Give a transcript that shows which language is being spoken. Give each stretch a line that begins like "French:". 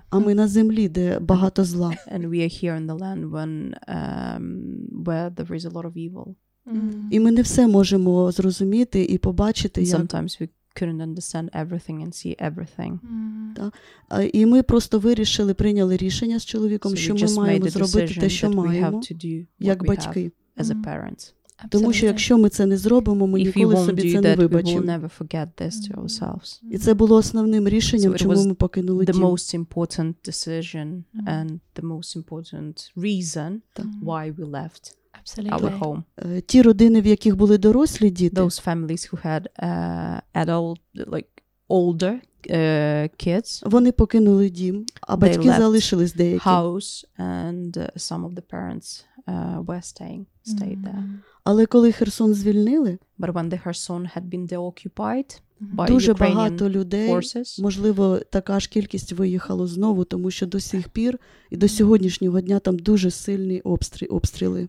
Ukrainian: А ми на землі, де багато зла.
English: And we are here in the land when where there is a lot of evil.
Ukrainian: І ми не все можемо зрозуміти і побачити.
English: And sometimes we couldn't understand everything and see everything.
Ukrainian: Так. І ми просто вирішили, прийняли рішення з чоловіком, що ми маємо зробити те, що маємо, як батьки.
English: As a parent. Absolutely.
Ukrainian: Тому що якщо ми це не зробимо, ми ніколи собі це не вибачимо.
English: We will never forget this to ourselves.
Ukrainian: І це було основним рішенням, чому ми покинули дім.
English: The most important decision and the most important reason why we left. Absolutely. Our home.
Ukrainian: Ті родини, в яких були дорослі діти.
English: Those families who had older kids.
Ukrainian: Вони покинули дім, а батьки залишились деякі.
English: House and some of the parents were stayed there.
Ukrainian: Але коли Херсон звільнили,
English: but when the Kherson had been deoccupied by
Ukrainian: дуже
English: Ukrainian
Ukrainian: багато людей,
English: forces,
Ukrainian: можливо, така ж кількість виїхало знову, тому що до сих пір і до сьогоднішнього дня там дуже сильні обстріли.